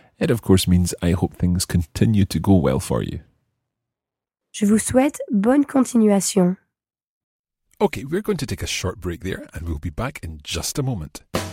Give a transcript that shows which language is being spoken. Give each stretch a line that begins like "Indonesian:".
English: It of course means I hope things continue to go well for you.
French: Je vous souhaite bonne continuation.
English: Okay, we're going to take a short break there and we'll be back in just a moment.